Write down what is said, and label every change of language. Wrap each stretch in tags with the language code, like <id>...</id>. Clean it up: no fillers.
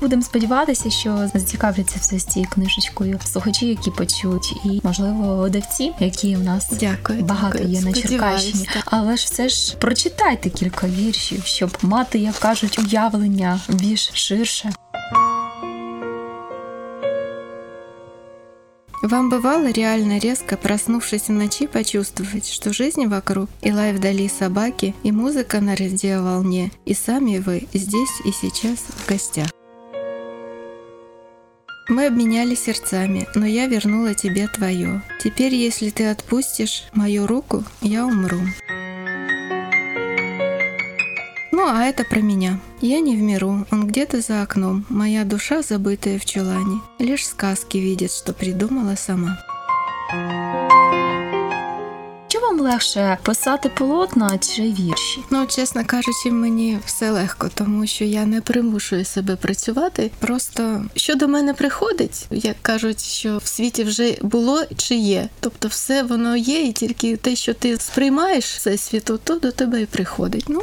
<uk>Будемо сподіватися, що зацікавляться все з цією книжечкою слухачі, які почуть, і, можливо, видавці, які у нас є на Черкащині. Але ж все ж прочитайте кілька віршів, щоб мати, як кажуть, уявлення більш ширше.</uk> <ru>Вам бывало реально резко, проснувшись в ночи, почувствовать, что жизнь вокруг, и лай вдали собаки, и музыка на резде волне, и сами вы здесь и сейчас в гостях. Мы обменялись сердцами, но я вернула тебе твое. Теперь, если ты отпустишь мою руку, я умру. Ну, а это про меня. Я не в миру, он где-то за окном, моя душа забытая в чулане. Лишь сказки видит, что придумала сама.</ru> <uk>Вам легше писати полотна чи вірші? Чесно кажучи, мені все легко, тому що я не примушую себе працювати. Просто що до мене приходить, як кажуть, що в світі вже було чи є. Тобто все воно є, і тільки те, що ти сприймаєш це світу, то до тебе і приходить.</uk>